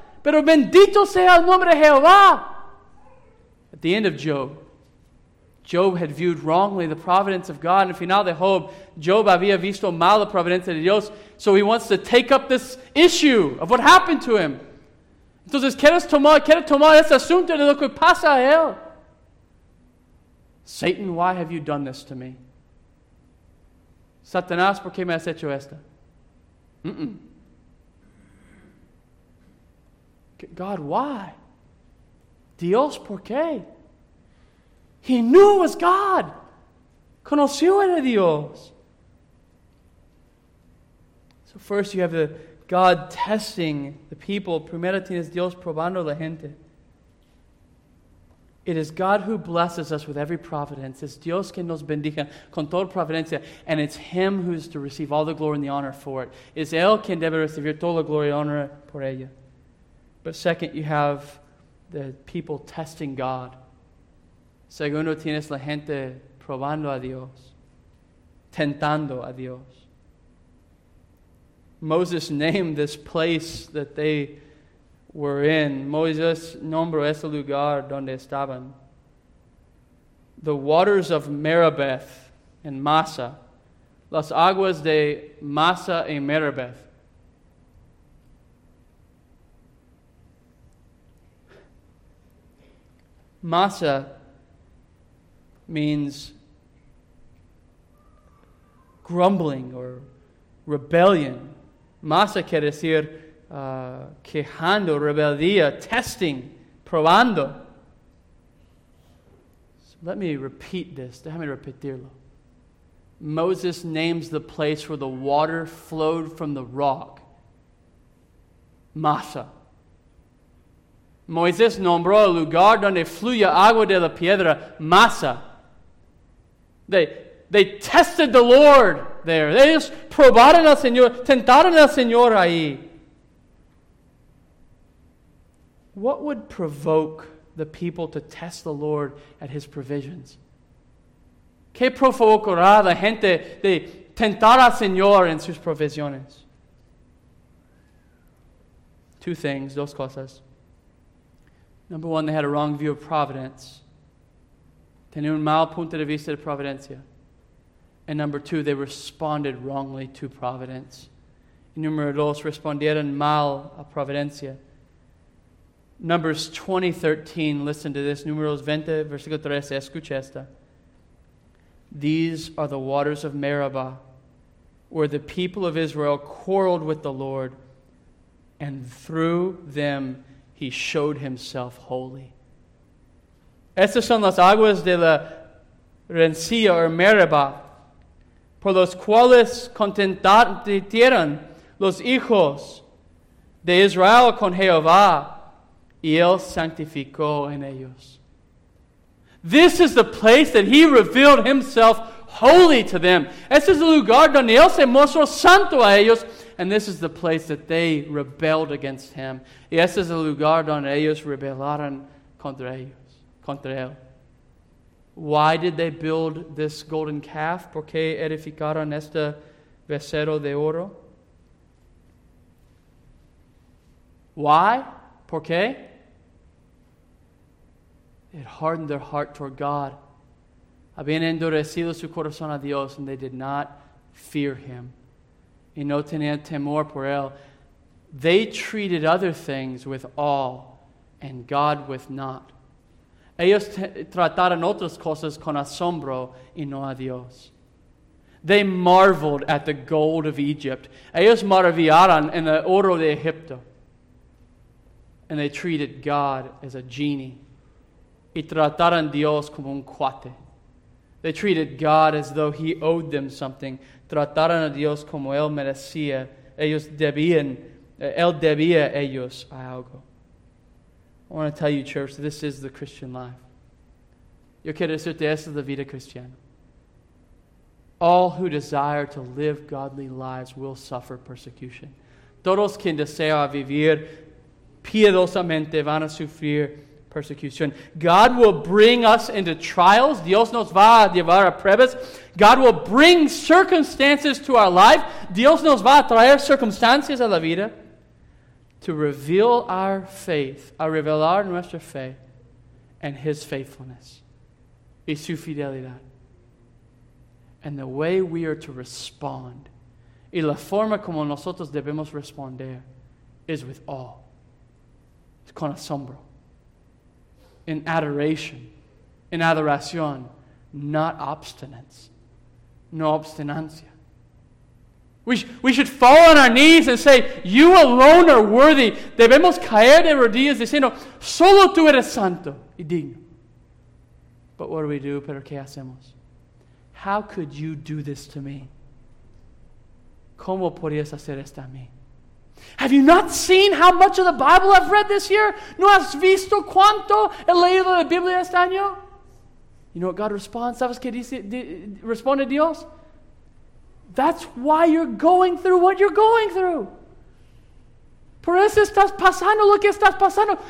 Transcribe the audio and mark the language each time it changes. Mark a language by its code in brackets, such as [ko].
[es] Pero bendito sea el nombre de Jehová. [en] At the end of Job had viewed wrongly the providence of God. And [es] al final de Job, Job había visto mal la providencia de Dios. [en] So he wants to take up this issue of what happened to him. [es] Entonces, ¿quieres tomar ese asunto de lo que pasa a él? [en] Satan, why have you done this to me? [es] Satanás, ¿por qué me has hecho esto? Mm-mm. [en] God, why? [es] Dios, ¿por qué? [en] He knew it was God. [es] Conoció a Dios. [en] So first you have the God testing the people. [es] Primera tienes Dios probando la gente. [en] It is God who blesses us with every providence. It's [es] Dios que nos bendiga con toda providencia. [en] And it's Him who is to receive all the glory and the honor for it. [es] Es Él quien debe recibir toda la gloria y honor por ella. [en] But second, you have the people testing God. [es] Segundo, tienes la gente probando a Dios. Tentando a Dios. [en] Moses named this place that they were in. [es] Moses nombró ese lugar donde estaban. [en] The waters of Meribah and Massa. [es] Las aguas de Massa y Meribah. [en] Massa means grumbling or rebellion. [es] Massa quiere decir quejando, rebeldía, [en] testing, [es] probando. [en] So let me repeat this. [es] Déjame repetirlo. [en] Moses names the place where the water flowed from the rock. Massa. [es] Moisés nombró el lugar donde fluye agua de la piedra, Massa. [en] They tested the Lord there. They just [es] probaron al Señor, tentaron al Señor ahí. [en] What would provoke the people to test the Lord at His provisions? [es] ¿Qué provocará la gente de tentar al Señor en sus provisiones? [en] Two things, [es] dos cosas. [en] Number one, they had a wrong view of providence. [es] Tenía un mal punto de vista de providencia. [en] And number two, they responded wrongly to providence. [es] Número dos, respondieron mal a providencia. [en] Numbers 20:13, listen to this. [es] Números 20, versículo 13, escucha esta. [en] These are the waters of Meribah, where the people of Israel quarreled with the Lord, and through them He showed Himself holy. [es] Estas son las aguas de la rencilla [en] or [es] Meribah, por los cuales contendieron los hijos de Israel con Jehová, y Él santificó en ellos. [en] This is the place that He revealed Himself holy to them. [es] Este es el lugar donde Él se mostró santo a ellos. [en] And this is the place that they rebelled against Him. [es] Y este es el lugar donde ellos rebelaron contra ellos, contra Él. [en] Why did they build this golden calf? [es] ¿Por qué edificaron este becerro de oro? [en] Why? ¿Por qué? It hardened their heart toward God. [es] Habían endurecido su corazón a Dios, [en] and they did not fear Him. [es] Y no tenían temor por Él. [en] They treated other things with awe, and God with not. [es] Ellos trataron otras cosas con asombro y no a Dios. [en] They marveled at the gold of Egypt. [es] Ellos maravillaron en el oro de Egipto. [en] And they treated God as a genie. [es] Y trataron Dios como un cuate. [en] They treated God as though He owed them something. [es] Trataron a Dios como Él merecía. Ellos debían, Él debía ellos a algo. [en] I want to tell you, church, this is the Christian life. [es] Yo quiero decirte, esta es la vida cristiana. [en] All who desire to live godly lives will suffer persecution. [es] Todos quien desea vivir piedosamente van a sufrir persecution. [en] God will bring us into trials. [es] Dios nos va a llevar a pruebas. [en] God will bring circumstances to our life. [es] Dios nos va a traer circunstancias a la vida. [en] To reveal our faith, [es] a revelar nuestra fe, [en] and His faithfulness, [es] y su fidelidad. [en] And the way we are to respond, [es] y la forma como nosotros debemos responder, [en] is with awe, [es] con asombro, [en] in adoration, [es] in adoración, [en] not obstinance, [es] no obstinancia. [en] We should fall on our knees and say, You alone are worthy. [es] Debemos caer de rodillas diciendo, Solo tú eres santo y digno. [en] But what do we do? [es] Pero qué hacemos? How could you do this to me? ¿Cómo podrías hacer esto a mí? [en] Have you not seen how much of the Bible I've read this year? [es] ¿No has visto cuánto he leído la Biblia este año? [en] You know what God responds? [es] ¿Sabes qué dice? Responde Dios. [en] That's why you're going through what you're going through. [es] Por eso estás pasando lo que estás pasando.